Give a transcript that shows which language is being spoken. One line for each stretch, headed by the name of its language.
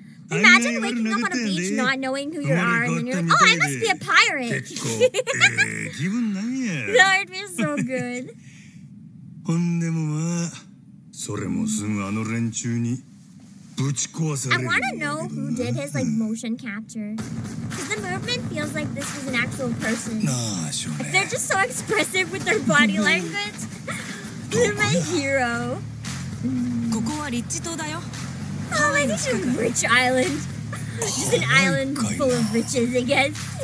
English: Imagine waking up on a beach not knowing who you are, and then you're like, oh, I must be a pirate. That would be so good.
Japanese: ほんでもまあ、それもすぐあの連中にぶち壊される。
English: I want to know who did his like motion capture. Because the movement feels like this is an actual person. They're just so expressive with their body language. They're my hero.
Japanese: ここはリッチ島だよ。
English: Oh my god, it's a rich island. Just an island full of riches, I guess.